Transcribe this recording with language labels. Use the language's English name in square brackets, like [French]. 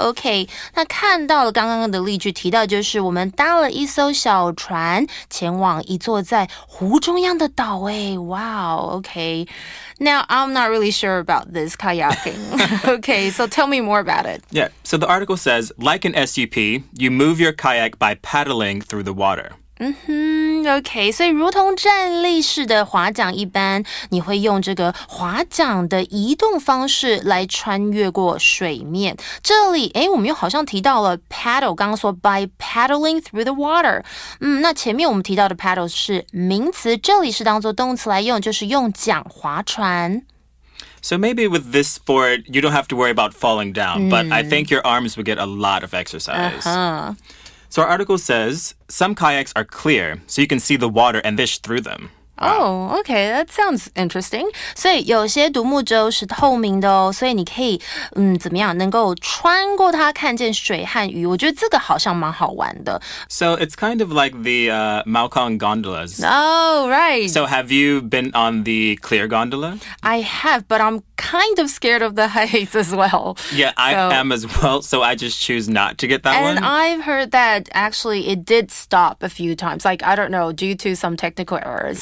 [Chinese] Okay, 那看到了刚刚的例句。提到就是我们搭了一艘小船前往一座在湖中央的岛诶 Wow, okay. [English] Now, I'm not really sure about this kayaking. Okay, so tell me more about it. Yeah, so the article says, like an SUP, you move your kayak by paddling through the water. Mm-hmm, [Chinese] OK, 所以如同站立式的滑桨一般，你会用这个滑桨的移动方式来穿越过水面。这里诶，我们又好像提到了 paddle, 刚刚说 by paddling through the water。嗯，那前面我们提到的 paddle 是名词，这里是当作动词来用，就是用桨划船。 [English] So maybe with this sport, you don't have to worry about falling down, but I think your arms would get a lot of exercise. So our article says, some kayaks are clear, so you can see the water and fish through them. Wow. Oh, okay, that sounds interesting. [Chinese] 所以有些独木舟是透明的哦，所以你可以怎么样，能够穿过它看见水和鱼，我觉得这个好像蛮好玩的。 [English] So it's kind of like the Maokong gondolas. Oh, right. So have you been on the clear gondola? I have, but I'm kind of scared of the heights as well. Yeah, I am as well, so I just choose not to get that and one. And I've heard that actually it did stop a few times, like, I don't know, due to some technical errors.